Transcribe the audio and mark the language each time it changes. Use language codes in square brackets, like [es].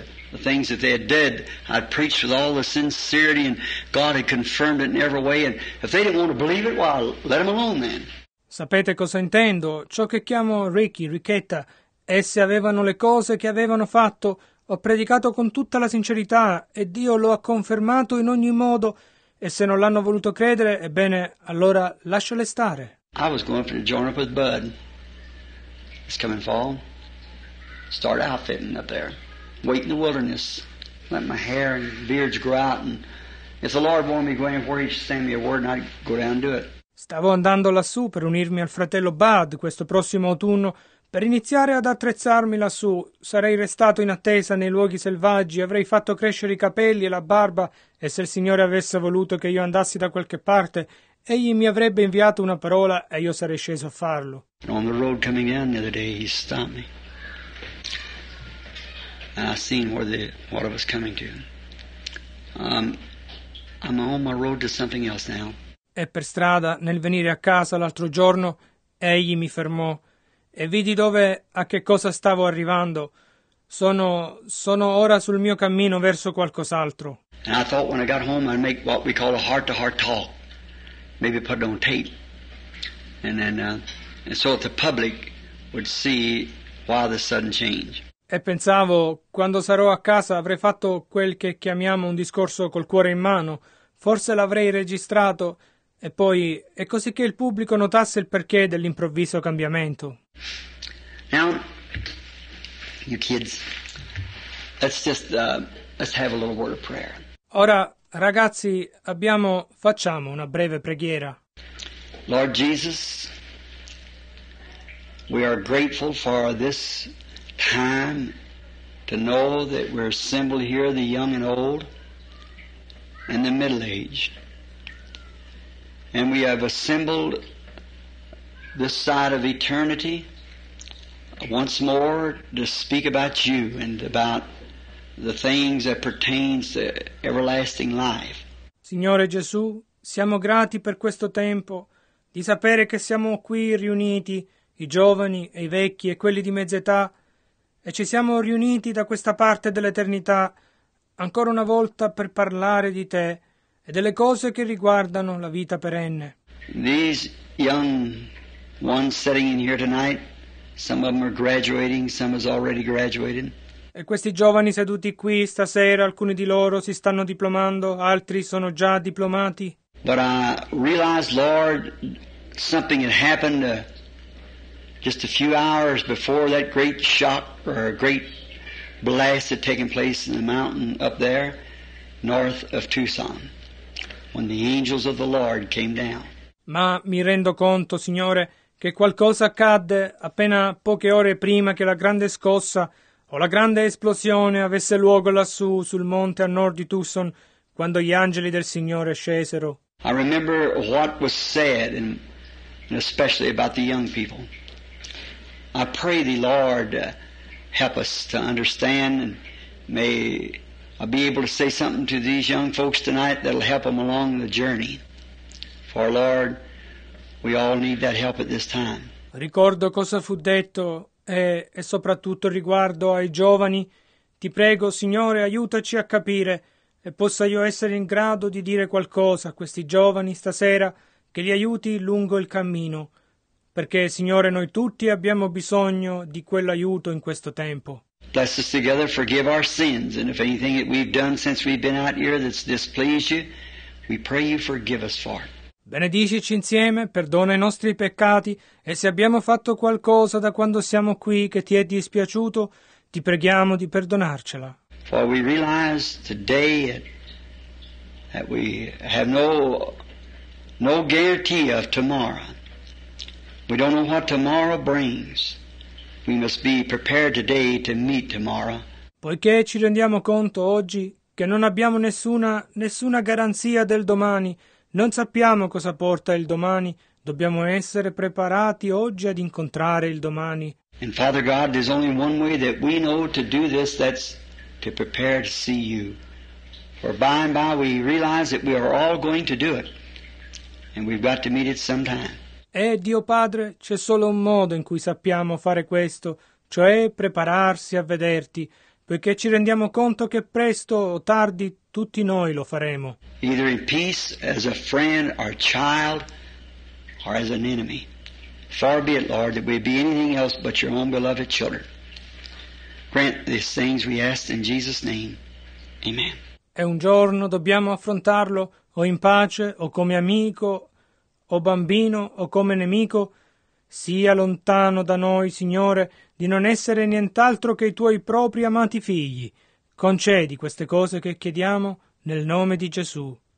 [en] The things that they had did, I'd preached with all the sincerity and God had confirmed it in every way. And if they didn't want to believe it, well, let them alone then. [it] Sapete cosa intendo? Ciò che chiamo Ricky, Ricketta, esse avevano le cose che avevano fatto. Ho predicato con tutta la sincerità e Dio lo ha confermato in ogni modo. E se non l'hanno voluto credere, ebbene, allora lasciale stare. [en] I was going to join up with Bud. It's coming fall. Start outfitting up there. Wait in the wilderness. Let my hair and beards grow out. And if the Lord wanted me to go anywhere, he'd send me a word and I'd go down and do it. [it] Stavo andando lassù per unirmi al fratello Bud questo prossimo autunno. Per iniziare ad attrezzarmi lassù, sarei restato in attesa nei luoghi selvaggi, avrei fatto crescere i capelli e la barba, e se il Signore avesse voluto che io andassi da qualche parte, egli mi avrebbe inviato una parola e io sarei sceso a farlo. [en] On the road coming in the other day, he stopped me. And I seen what I was coming to. I'm on my road to something else now. [it] E per strada, nel venire a casa l'altro giorno, egli mi fermò. E vidi dove, a che cosa stavo arrivando. Sono ora sul mio cammino verso qualcos'altro. [en] And I thought when I got home I'd make what we call a heart-to-heart talk. Maybe put it on tape. And then, and so the public would see why the sudden change. [it] E pensavo, quando sarò a casa avrei fatto quel che chiamiamo un discorso col cuore in mano. Forse l'avrei registrato. E poi, è così che il pubblico notasse il perché dell'improvviso cambiamento. [en] Now, you kids, let's have a little word of prayer. [it] Ora, ragazzi, facciamo una breve preghiera. [en] Lord Jesus, we are grateful for this time to know that we're assembled here, the young and old, and the middle-aged. And we have assembled this side of eternity once more to speak about you and about the things that pertains to everlasting life. [it] Signore Gesù, siamo grati per questo tempo di sapere che siamo qui riuniti, i giovani e i vecchi e quelli di mezza età, e ci siamo riuniti da questa parte dell'eternità ancora una volta per parlare di te e delle cose che riguardano la vita perenne. [en] These young ones sitting in here tonight, some of them are graduating, some has already graduated. [it] E questi giovani seduti qui stasera, alcuni di loro si stanno diplomando, altri sono già diplomati. [en] But I realized, Lord, something had happened just a few hours before that great shock or a great blast had taken place in the mountain up there, north of Tucson. When the angels of the Lord came down. [it] Ma mi rendo conto, Signore, che qualcosa accadde appena poche ore prima che la grande scossa o la grande esplosione avesse luogo lassù sul monte a nord di Tucson, quando gli angeli del Signore scesero. [en] I remember what was said, and especially about the young people. I pray thee, Lord, help us to understand, and may I be able to say something to these young folks tonight that'll help them along the journey. For Lord, we all need that help at this time. [it] Ricordo cosa fu detto, e soprattutto riguardo ai giovani. Ti prego, Signore, aiutaci a capire, e possa io essere in grado di dire qualcosa a questi giovani stasera, che li aiuti lungo il cammino. Perché, Signore, noi tutti abbiamo bisogno di quell'aiuto in questo tempo. [en] Bless us together, forgive our sins, and if anything that we've done since we've been out here that's displeased you, we pray you forgive us for it. [it] Benedicici insieme, perdona i nostri peccati, e se abbiamo fatto qualcosa da quando siamo qui che ti è dispiaciuto, ti preghiamo di perdonarcela. [en] For we realize today that we have no guarantee of tomorrow. We don't know what tomorrow brings. We must be prepared today to meet tomorrow. [it] Poiché ci rendiamo conto oggi che non abbiamo nessuna garanzia del domani, non sappiamo cosa porta il domani, dobbiamo essere preparati oggi ad incontrare il domani. [en] And Father God, there's only one way that we know to do this, that's to prepare to see you. For by and by we realize that we are all going to do it, and we've got to meet it sometime. [it] E Dio Padre, c'è solo un modo in cui sappiamo fare questo, cioè prepararsi a vederti, poiché ci rendiamo conto che presto o tardi tutti noi lo faremo. [en] Either in peace as a friend or child or as an enemy. Far be it, Lord, that we be anything else but your own beloved children. Grant these things we ask in Jesus' name. Amen. [it] E un giorno dobbiamo affrontarlo o in pace o come amico, o bambino o come nemico, sia lontano da noi, Signore, di non essere nient'altro che i tuoi propri amati figli. Concedi queste cose che chiediamo nel nome di Gesù.